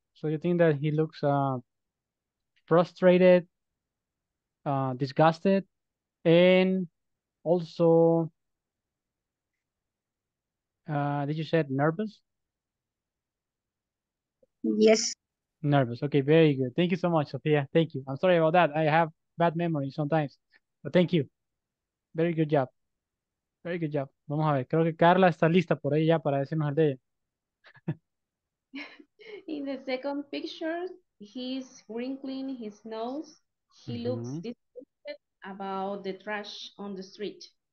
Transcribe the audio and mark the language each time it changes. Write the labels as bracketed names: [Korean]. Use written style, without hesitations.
[English] So you think that he looks frustrated, disgusted, and also, did you say nervous? Yes. Nervous. Okay, very good. Thank you so much, Sophia. Thank you. I'm sorry about that. I have bad memory sometimes, but thank you. Very good job. Very good job. [Spanish] Vamos a ver. Creo que Carla está lista por ahí ya para decirnos el de ella. [English] In the second picture, he's wrinkling his nose. He looks disgusted about the trash on the street.